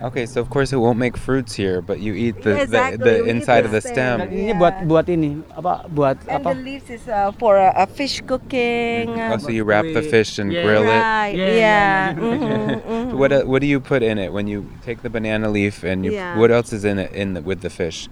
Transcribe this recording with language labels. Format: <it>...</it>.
<en>Okay, so of course it won't make fruits here, but you eat the inside of the stem.</en> <id>Ini buat ini apa buat apa?</id> <en>And the leaves is for a fish cooking. Mm-hmm. Oh, so you wrap the fish and grill it. Yeah. What do you put in it when you take the banana leaf and you? Yeah. What else is in it with the fish?</en>